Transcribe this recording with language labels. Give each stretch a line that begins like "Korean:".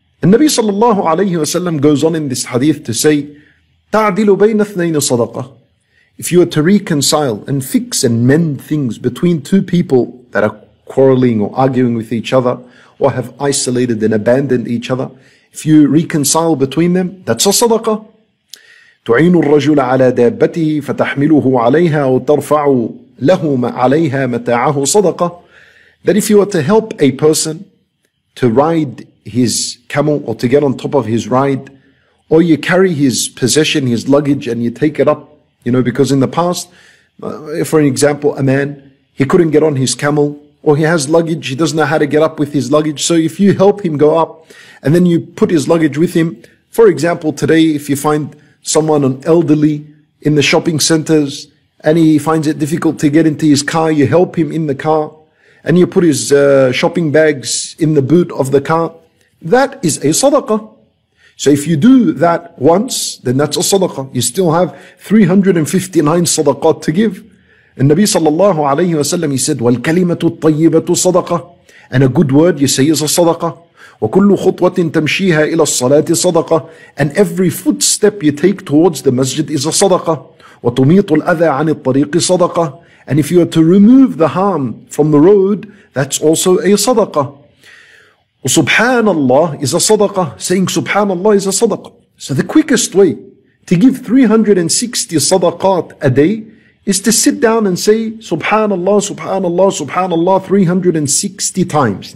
English: And Nabi sallallahu alayhi wa sallam goes on in this hadith to say,
Arabic: تَعْدِلُ بَيْنَ اثْنَيْنُ صَدَقَةً.
English: If you are to reconcile and fix and mend things between two people that are quarreling or arguing with each other, or have isolated and abandoned each other, if you reconcile between them, that's a sadaqah.
Arabic: تعين الرجل على دابته فتحمله عليها وترفع له عليها متاعه صدقة.
English: That if you were to help a person to ride his camel or to get on top of his ride, or you carry his possession, his luggage, and you take it up, you know, because in the past, for an example, a man, he couldn't get on his camel, or he has luggage, he doesn't know how to get up with his luggage. So if you help him go up and then you put his luggage with him, for example, today, if you find someone, an elderly, in the shopping centers, and he finds it difficult to get into his car, you help him in the car, and you put his shopping bags in the boot of the car, that is a sadaqah. So if you do that once, then that's a sadaqah. You still have 359 sadaqat to give. And Nabi sallallahu alayhi wa sallam, he said,
Arabic: وَالْكَلِمَةُ الطَّيِّبَةُ صَدَقَةً.
English: And a good word you say is a sadaqah.
Arabic: وكل خطوة تمشيها إلى الصلاة صدقة.
English: And every footstep you take towards the masjid is a sadaqah.
Arabic: وتميط الأذى عن الطريق صدقة.
English: And if you are to remove the harm from the road, that's also a sadaqah.
Arabic: وسبحان الله
English: is a sadaqah. Saying سبحان الله is a sadaqah. So the quickest way to give 360 sadaqat a day is to sit down and say
Arabic: سبحان الله سبحان الله سبحان الله
English: 360 times.